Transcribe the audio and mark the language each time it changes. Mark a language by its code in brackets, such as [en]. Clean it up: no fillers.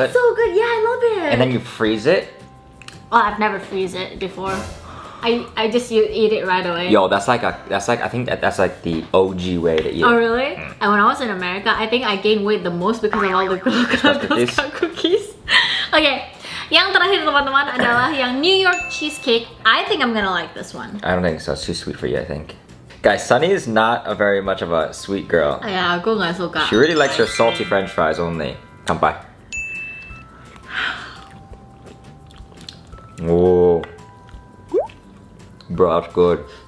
[en] That's so good. Yeah, I love it. And then you freeze it. Oh, I've never freeze it before. I just eat it right away. Yo, I think that's like the OG way to eat it. Oh, really? Mm. And when I was in America, I think I gained weight the most because of all the Girl Scout cookies. [id] Okay, yang terakhir teman-teman adalah yang New York cheesecake. [en] I think I'm gonna like this one. I don't think so. It's too sweet for you, I think. Guys, Sunny is not a very much of a sweet girl. [id] Yeah, aku gak suka. [en] She really likes her salty french fries only. Come by. Whoa. Bro, that's good.